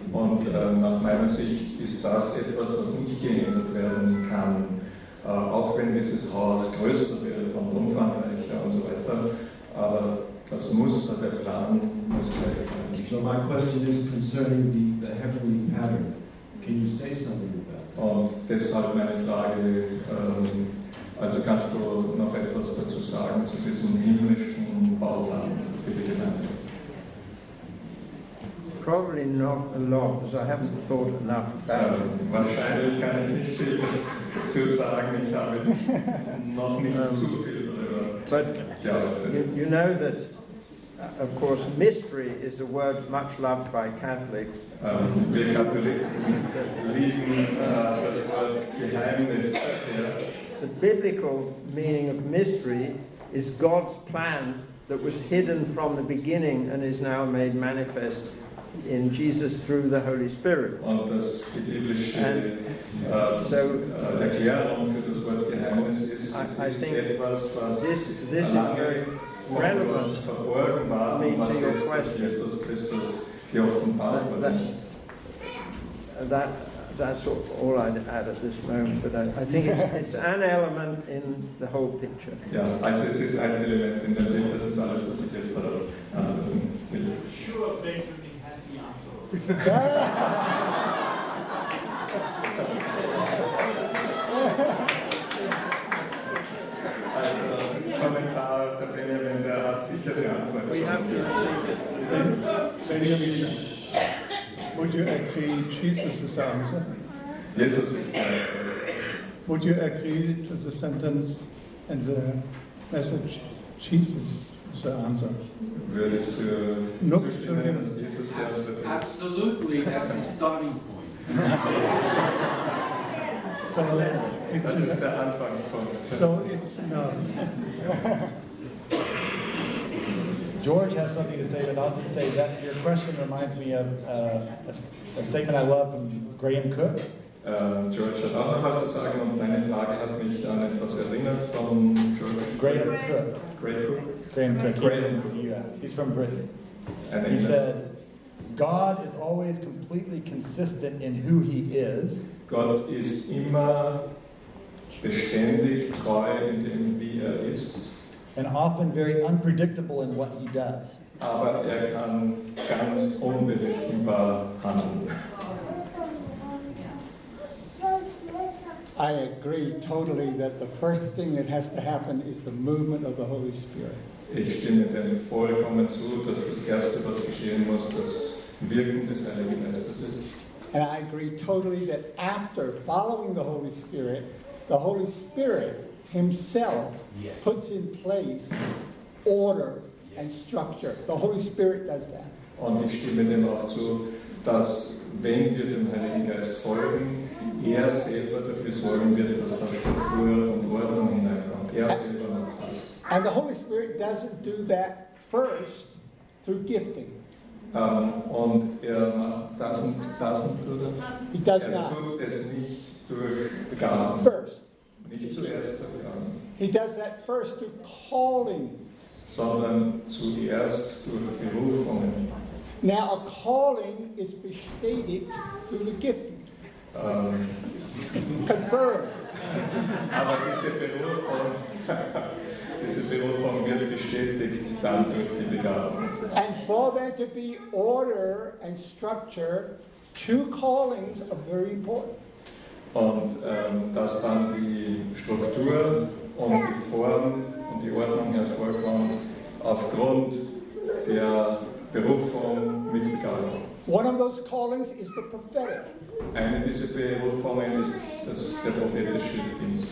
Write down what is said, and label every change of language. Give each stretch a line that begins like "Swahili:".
German: Und nach meiner Sicht ist das etwas, was nicht geändert werden kann. Auch wenn dieses Haus größer wird und umfangreicher und so weiter, aber das Muster, der Plan, muss gleich sein.
English: So my question is concerning the heavenly pattern. Can you say something about that?
German: Und deshalb meine Frage, also kannst du noch etwas dazu sagen zu diesem himmlischen Bauplan für die Gemeinde?
English: Probably not a lot, because I haven't thought enough about it.
German: Wahrscheinlich kann ich nicht viel dazu sagen, ich habe noch nicht zu viel darüber.
English: But you know that, of course, mystery is a word much loved by Catholics.
German: Wir Katholiken lieben das Wort Geheimnis sehr.
English: The biblical meaning of mystery is God's plan that was hidden from the beginning and is now made manifest in Jesus through the Holy Spirit.
German: Und das biblische Erklärung für das Wort Geheimnis ist etwas, was lange vor Gott verborgen war und was jetzt durch Jesus Christus geoffenbart worden ist.
English: That's all I'd add at this moment, but I think it's an element in the whole picture.
German: Yeah, also es ist ein Element in der Welt, das ist alles, was ich jetzt darauf will.
English: Sure, Benjamin.
German: Also, Kommentar der Benjamin, der hat sicher die Antwort.
English: We have to Benjamin. you agree Jesus is the answer? Jesus is the answer. Would you agree to the sentence and the message, Jesus is the answer? Really, to nope. Jesus is the answer. Absolutely, that's the starting point. So it's this is the Anfangspunkt. So it's enough. George has something to say, but I'll just say that your question reminds me of a statement I love from Graham Cook.
German: George hat auch noch was zu sagen, und deine Frage hat mich an etwas erinnert von George.
English: Graham Cook. He's from Britain. And he said, God is always completely consistent in who he is.
German: Gott ist immer beständig treu in dem, wie er ist.
English: And often very unpredictable in what he does.
German: Aber er kann ganz unberechenbar handeln.
English: I agree totally that the first thing that has to happen is the movement of the Holy Spirit.
German: Ich stimme dem vollkommen zu, dass das Erste, was geschehen muss, das Wirken des Heiligen Geistes ist.
English: And I agree totally that after following the Holy Spirit himself yes. puts in place order yes. and structure. The Holy Spirit does that.
German: Und ich stimme dem auch zu, dass wenn wir dem Heiligen Geist folgen, er selber dafür sorgen wird, dass da Struktur und Ordnung hineinkommt. Er selber macht das.
English: And the Holy Spirit doesn't do that first through gifting.
German: Und er
English: doesn't do that. He does
German: er
English: not.
German: Tut es nicht durch Gaben.
English: First.
German: Nicht zuerst durch Gaben.
English: He does that first through calling.
German: Sondern zuerst durch Berufungen.
English: Now a calling is bestätigt through the gifting. Confirmed.
German: Aber diese Berufung wird bestätigt dann durch die Begabung.
English: And for there to be order and structure, two callings are very important.
German: Und dass dann die Struktur und die Form und die Ordnung hervorkommt aufgrund der Berufung mit Begabung.
English: One of those callings is the prophetic.
German: Eine dieser Berufungen ist der prophetische Dienst.